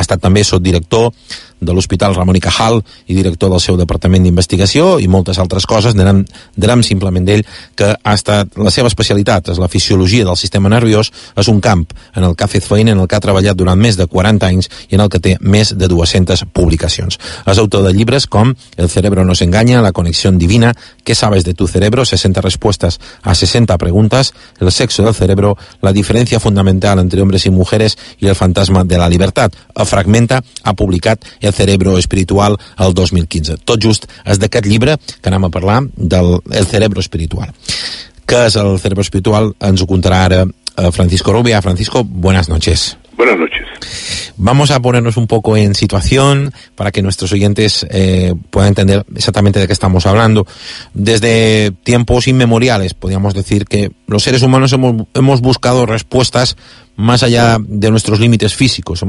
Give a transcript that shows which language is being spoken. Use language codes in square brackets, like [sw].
[ca] Ha estat també subdirector de l'Hospital Ramón y Cajal i director del seu departament d'investigació i moltes altres coses. Diran simplement d'ell que ha estat la seva especialitat és la fisiologia del sistema nerviós, és un camp en el que ha fet feina, en el que ha treballat durant més de 40 anys i en el que té més de 200 publicacions. És autor de llibres com El cerebro nos engaña, La conexión divina, ¿Qué sabes de tu cerebro? [es] 60 respuestas a 60 preguntas, El sexo del cerebro, La diferencia fundamental entre hombres y mujeres y El fantasma de la libertad. [ca] Fragmenta ha publicat El cerebro espiritual el 2015. Tot just és d'aquest llibre que anem a parlar, del El cerebro espiritual. Què és el cerebro espiritual? Ens ho contarà ara Francisco Rubia. [es] Francisco, buenas noches. Buenas noches. Vamos a ponernos un poco en situación para que nuestros oyentes puedan entender exactamente de qué estamos hablando. Desde tiempos inmemoriales, podríamos decir que los seres humanos hemos buscado respuestas más allá de nuestros límites físicos.